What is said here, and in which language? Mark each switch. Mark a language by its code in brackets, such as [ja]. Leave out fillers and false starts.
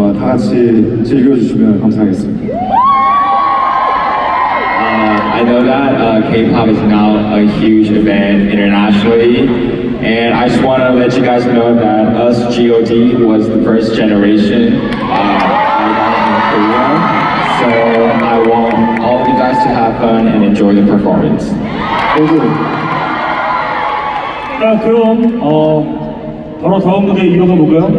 [ko] 다 같이 즐겨주시면 감사하겠습니다. [en] I know that K-pop is now a huge event internationally, and I just want to let you guys know that us G.O.D. was the first generation in Korea. So I want all of you guys to have fun and enjoy the performance. Thank you. [ko] 자 그럼 바로 다음 무대 이어서 볼까요?